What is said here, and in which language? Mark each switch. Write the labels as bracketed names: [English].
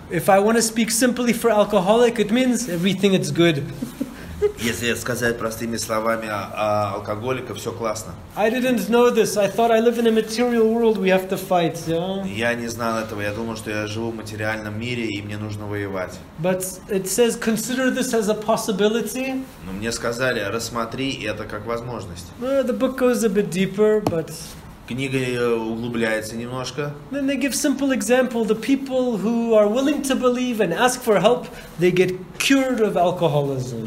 [English] If I want to speak simply for alcoholic, it means everything is good. [Russian] Если сказать простыми словами о алкоголике, все классно. [English] I didn't know this. I thought I live in a material world. We have to fight. Yeah? [Russian] Я не знал этого. Я думал, что я живу в материальном мире и мне нужно воевать. [English] But it says consider this as a possibility. [Russian] Но мне сказали, рассмотри это как возможность. [English] Well, the book goes a bit deeper, but. [Russian] Книга углубляется немножко. [English] Then they give simple example: the people who are willing to believe and ask for help, they get cured of alcoholism.